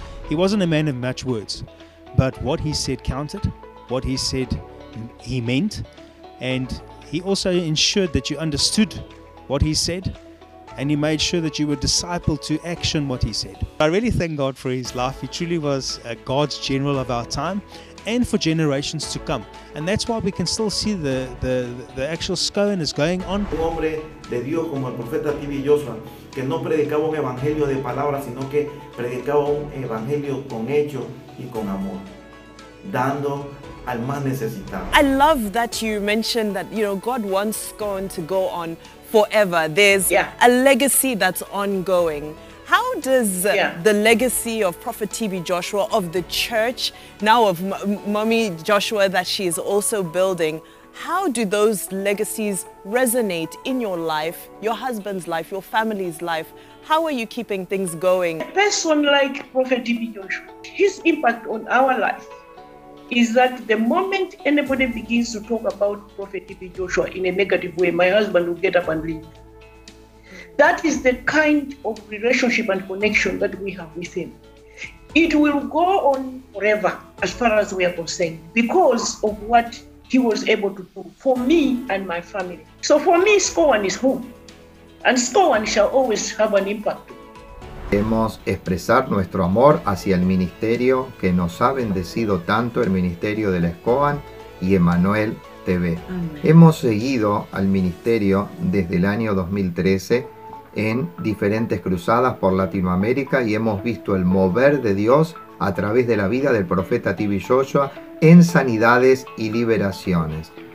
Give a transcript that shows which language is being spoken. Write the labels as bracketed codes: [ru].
[en] He wasn't a man of much words, but what he said counted, what he said he meant, and he also ensured that you understood what he said. And he made sure that you were discipled to action what he said. I really thank God for his life. He truly was a God's general of our time and for generations to come. And that's why we can still see the actual scorn is going on. [es] Un hombre de Dios como el profeta T.B. Joshua, que no predicaba un evangelio de palabras, sino que predicaba un evangelio con hechos y con amor, dando al más necesitado. [en] I love that you mentioned that, you know, God wants scorn to go on forever. There's a legacy that's ongoing. How does the legacy of Prophet T.B. Joshua, of the church, now of Mommy Joshua that she is also building, how do those legacies resonate in your life, your husband's life, your family's life? How are you keeping things going? A person like Prophet T.B. Joshua, his impact on our life is that the moment anybody begins to talk about Prophet T.B. Joshua in a negative way, my husband will get up and leave. That is the kind of relationship and connection that we have with him. It will go on forever, as far as we are concerned, because of what he was able to do for me and my family. So for me, scorn is home. And scorn shall always have an impact. [es] Queremos expresar nuestro amor hacia el ministerio que nos ha bendecido tanto, el ministerio de la SCOAN y Emmanuel TV. Amén. Hemos seguido al ministerio desde el año 2013 en diferentes cruzadas por Latinoamérica y hemos visto el mover de Dios a través de la vida del profeta T.B. Joshua en sanidades y liberaciones.